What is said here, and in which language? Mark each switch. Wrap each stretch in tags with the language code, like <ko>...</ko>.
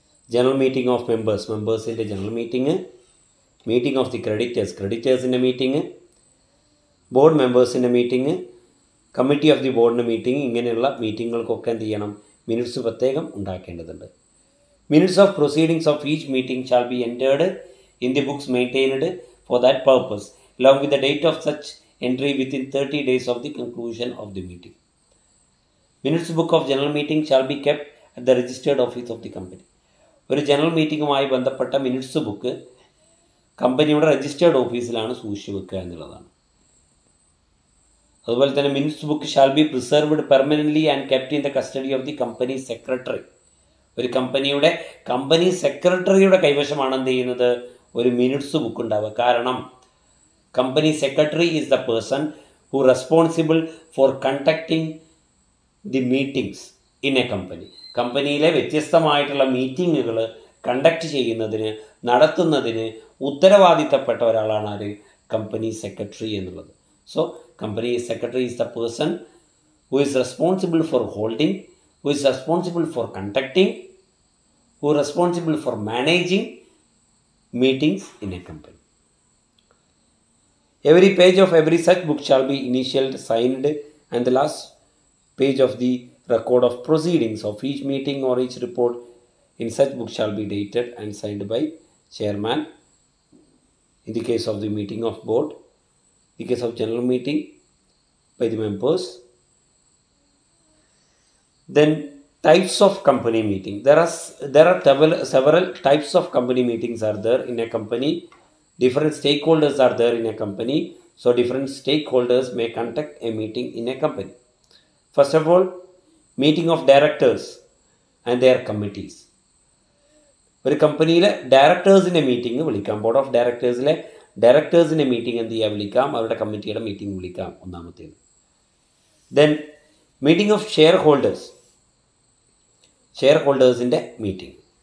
<en>general meeting of members,</en> <ml>മെമ്പേഴ്സിൻ്റെ general meeting.</ml> <en>meeting of the creditors,</en> <ml>ക്രെഡിറ്റേഴ്സിൻ്റെ meeting. Board മെമ്പേഴ്സിൻ്റെ meeting, committee of the ബോർഡിൻ്റെ meeting. ഇങ്ങനെയുള്ള മീറ്റിങ്ങുകൾക്കൊക്കെ എന്ത് ചെയ്യണം? Minutes പ്രത്യേകം ഉണ്ടാക്കേണ്ടതുണ്ട്.</ml> <en>Minutes of proceedings of each meeting shall be entered in the books maintained for that purpose, along with the date of such entry within 30 days of the conclusion of the meeting. Minutes book of general meeting shall be kept at the registered office of the company.</en> <ml>ഒരു general മീറ്റിങ്ങുമായി ബന്ധപ്പെട്ട minutes book കമ്പനിയുടെ registered ഓഫീസിലാണ് സൂക്ഷിച്ചു വെക്കുക എന്നുള്ളതാണ്. അതുപോലെ തന്നെ</ml> <en>Minutes book shall be preserved permanently and kept in the custody of the company secretary.</en> <ml>ഒരു കമ്പനിയുടെ കമ്പനി സെക്രട്ടറിയുടെ കൈവശമാണ് എന്ത് ചെയ്യുന്നത്, ഒരു മിനിറ്റ്സ് ബുക്ക് ഉണ്ടാവുക.</ml> <en>കാരണം company secretary is the person who responsible for conducting the meetings in a company.</en> <ml>കമ്പനിയിലെ വ്യത്യസ്തമായിട്ടുള്ള മീറ്റിങ്ങുകൾ കണ്ടക്ട് ചെയ്യുന്നതിന് നടത്തുന്നതിന് ഉത്തരവാദിത്തപ്പെട്ട ഒരാളാണ് ആര്, കമ്പനി സെക്രട്ടറി എന്നുള്ളത്.</ml> <en>So company secretary is the person who is responsible for holding, who is responsible for conducting, who responsible for managing meetings in a company. Every page of every such book shall be initial signed and the last page of the record of proceedings of each meeting or each report in such book shall be dated and signed by chairman in the case of the meeting of board, in the case of general meeting by the members. Then types of company meeting, there are several types of company meetings are there in a company. Different stakeholders are there in a company, so different stakeholders may conduct a meeting in a company. First of all, meeting of directors and their committees.</en> <ml>ഒരു കമ്പനിയിലെ ഡയറക്ടേഴ്സിൻ്റെ meeting വിളിക്കാം. Board of ഡയറക്ടേഴ്സിലെ ഡയറക്ടേഴ്സിൻ്റെ meeting എന്ത് ചെയ്യാൻ വിളിക്കാം, അവരുടെ കമ്മിറ്റിയുടെ meeting വിളിക്കാം ഒന്നാമത്തേത്.</ml> <en>then meeting of shareholders,</en> <ml>share ഹോൾഡേഴ്സിൻ്റെ meeting.</ml>